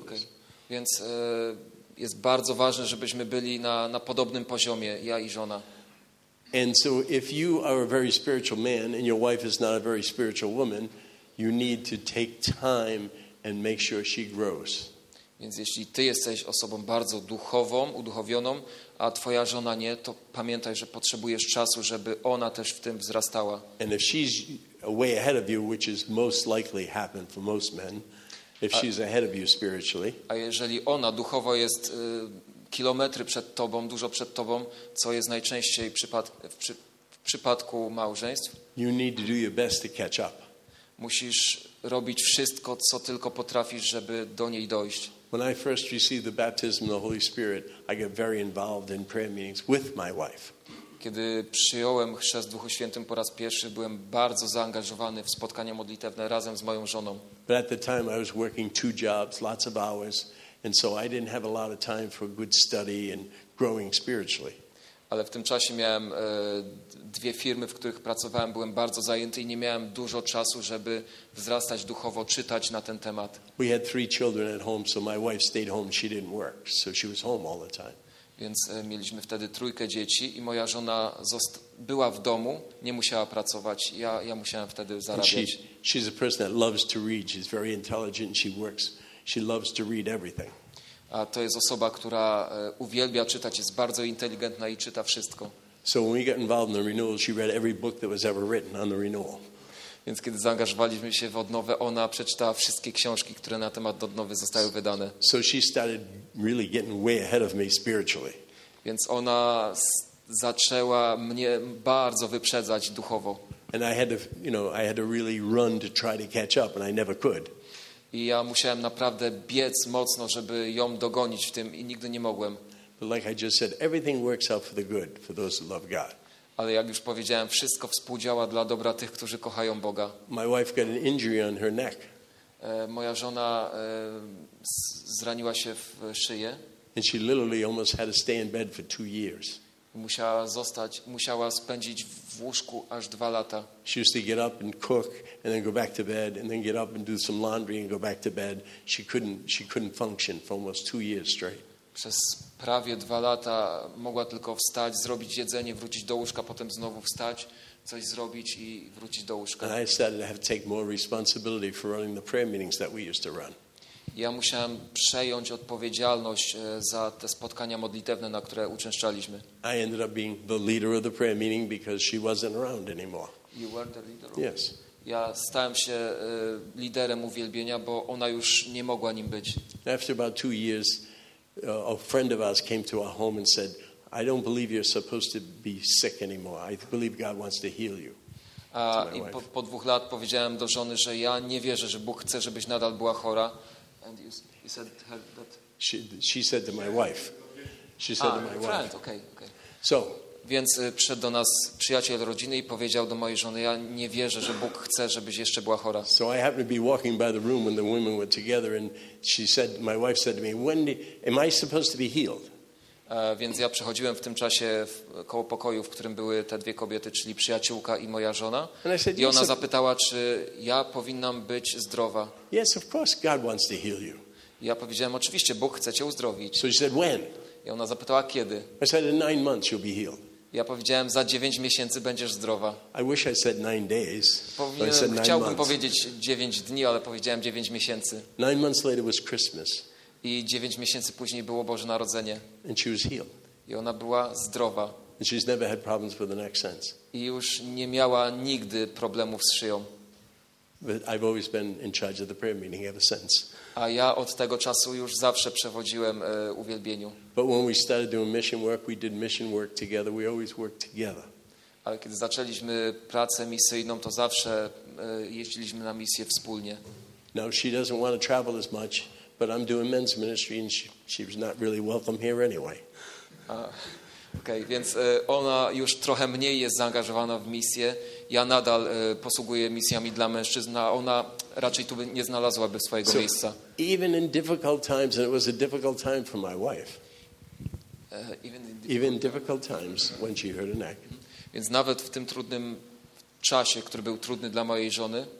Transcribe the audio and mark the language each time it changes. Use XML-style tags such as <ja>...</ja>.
<en>Okay.</en> <pl>Więc jest bardzo ważne, żebyśmy byli na podobnym poziomie, ja i żona.</pl> <en>And so if you are a very spiritual man and your wife is not a very spiritual woman, you need to take time and make sure she grows.</en> <pl>Więc jeśli ty jesteś osobą bardzo duchową, uduchowioną, a twoja żona nie, to pamiętaj, że potrzebujesz czasu, żeby ona też w tym wzrastała.</pl> <en>And if she's way ahead of you, which is most likely happen for most men, if she's ahead of you spiritually.</en> <pl>A jeżeli ona duchowo jest kilometry przed tobą, dużo przed tobą, co jest najczęściej w przypadku małżeństw.</pl> <en>You need to do your best to catch up.</en> <pl>Musisz robić wszystko, co tylko potrafisz, żeby do niej dojść.</pl> <en>When I first received the baptism of the Holy Spirit, I got very involved in prayer meetings with my wife.</en> <pl>Kiedy przyjąłem chrzest w Duchu Świętym po raz pierwszy, byłem bardzo zaangażowany w spotkania modlitewne razem z moją żoną.</pl> <en>But at the time I was working two jobs, lots of hours, and so I didn't have a lot of time for good study and growing spiritually.</en> <pl>Ale w tym czasie miałem dwie firmy, w których pracowałem, byłem bardzo zajęty i nie miałem dużo czasu, żeby wzrastać duchowo, czytać na ten temat.</pl> <en>We had three children at home, so my wife stayed home, she didn't work, so she was home all the time.</en> <pl>Więc mieliśmy wtedy trójkę dzieci i moja żona była w domu, nie musiała pracować. Ja musiałem wtedy zarabiać.</pl> <en>She's a person that loves to read. She's very intelligent. She works. She loves to read everything.</en> <pl>A to jest osoba, która uwielbia czytać, jest bardzo inteligentna i czyta wszystko.</pl> <en>So when we got involved in the renewal, she read every book that was ever written on the renewal.</en> <pl>Więc kiedy zaangażowaliśmy się w odnowę, ona przeczytała wszystkie książki, które na temat odnowy zostały wydane.</pl> <en>So she started really getting way ahead of me spiritually.</en> <pl>Więc ona zaczęła mnie bardzo wyprzedzać duchowo.</pl> <en>And I had to, you know, I had to really run to try to catch up, and I never could.</en> <pl>I ja musiałem naprawdę biec mocno, żeby ją dogonić w tym, i nigdy nie mogłem.</pl> <en>But like I just said, everything works out for the good for those who love God.</en> <pl>Ale jak już powiedziałem, wszystko współdziała dla dobra tych, którzy kochają Boga.</pl> <en>My wife got an injury on her neck.</en> <pl>Moja żona zraniła się w szyję.</pl> <en>And she literally almost had to stay in bed for 2 years.</en> <pl>Musiała spędzić w łóżku aż 2 lata.</pl> <en>She used to get up and cook and then go back to bed and then get up and do some laundry and go back to bed. She couldn't function for almost 2 years straight.</en> <pl>Przez prawie 2 lata mogła tylko wstać, zrobić jedzenie, wrócić do łóżka, potem znowu wstać, coś zrobić i wrócić do łóżka.</pl> <en>And I started to have to take more responsibility for running the prayer meetings that we used to run.</en> <pl>Ja musiałem przejąć odpowiedzialność za te spotkania modlitewne, na które uczęszczaliśmy.</pl> <en>I ended up being the leader of the prayer meeting because she wasn't around anymore. You were the leader. Yes.</en> <pl>Ja stałem się liderem uwielbienia, bo ona już nie mogła nim być.</pl> <en>After about 2 years, a friend of ours came to our home and said, "I don't believe you're supposed to be sick anymore. I believe God wants to heal you."</en> <pl>A i po 2 latach powiedziałem do żony, że ja nie wierzę, że Bóg chce, żebyś nadal była chora.</pl> <en>And you said her that she said to my wife. She said to my friend, wife. Okay. So.</en> <pl>Więc przyszedł do nas przyjaciel rodziny i powiedział do mojej żony, ja nie wierzę, że Bóg chce, żebyś jeszcze była chora.</pl> <en>So I happened to be walking by the room when the women were together and she said, my wife said to me, am I supposed to be healed?</en> <pl>Więc ja przechodziłem w tym czasie koło pokoju, w którym były te dwie kobiety, czyli przyjaciółka i moja żona.</pl> <en>And I said,</en> <pl>i ona zapytała, czy ja powinnam być zdrowa.</pl> <en>Yes, of course God wants to heal you.</en> <pl>Ja powiedziałem, oczywiście, Bóg chce cię uzdrowić.</pl> <en>So she said, when?</en> <pl>I ona zapytała, kiedy?</pl> <en>I said, in 9 months you'll be healed.</en> <pl>Ja powiedziałem, za 9 miesięcy będziesz zdrowa.</pl> <en>I wish I said 9 days.</en> <pl>Chciałbym powiedzieć 9 dni, ale powiedziałem 9 miesięcy.</pl> <en>9 months later was Christmas.</en> <pl>I 9 miesięcy później było Boże Narodzenie.</pl> <en>And she was healed.</en> <pl>I ona była zdrowa.</pl> <en>And she's never had problems with the neck since.</en> <pl>I już nie miała nigdy problemów z szyją.</pl> <en>But I've always been in charge of the prayer meeting ever since.</en> <pl>A ja od tego czasu już zawsze przewodziłem uwielbieniu.</pl> <en>But when we started doing mission work, we did mission work together. We always worked together.</en> <pl>Ale kiedy zaczęliśmy pracę misyjną, to zawsze jeździliśmy na misję wspólnie.</pl> <en>Now she doesn't want to travel as much, but I'm doing men's ministry and she's not really welcome here anyway.</en> <pl>Okay, więc ona już trochę mniej jest zaangażowana w misję. Ja nadal posługuję misjami dla mężczyzn, a ona raczej tu nie znalazłaby swojego miejsca.</pl> <en>Even in difficult times, and it was a difficult time for my wife. Even in difficult times when she hurt her neck.</en> <pl>Więc nawet w tym trudnym czasie, który był trudny dla mojej żony,</pl>